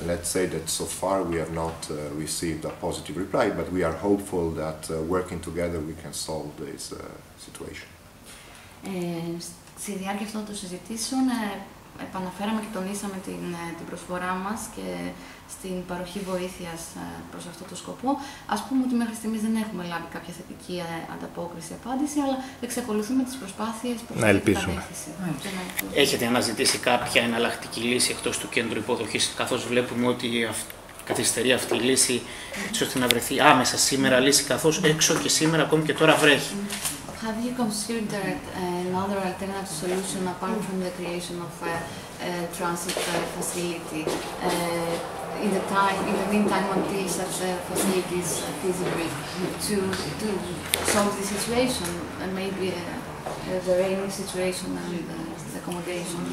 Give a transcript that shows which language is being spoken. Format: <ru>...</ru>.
<en>Let's say that so far we have not received a positive reply, but we are hopeful that working together we can solve this situation.</en> <el>Στη διάρκεια αυτών των συζητήσεων επαναφέραμε και τονίσαμε την προσφορά μας και στην παροχή βοήθειας προς αυτό το σκοπό. Ας πούμε ότι μέχρι στιγμής δεν έχουμε λάβει κάποια θετική ανταπόκριση, απάντηση, αλλά εξακολουθούμε τις προσπάθειες που να ελπίσουμε. Έχετε αναζητήσει κάποια εναλλακτική λύση εκτός του κέντρου υποδοχής, καθώς βλέπουμε ότι καθυστερεί αυτή η λύση, έτσι ώστε να βρεθεί άμεσα σήμερα λύση, καθώς έξω και σήμερα ακόμη και τώρα βρέχει.</el> <en>Have you considered another alternative solution apart from the creation of a transit facility in the meantime until such a facility is feasible to solve the situation and maybe the rainy situation and the accommodation?</en>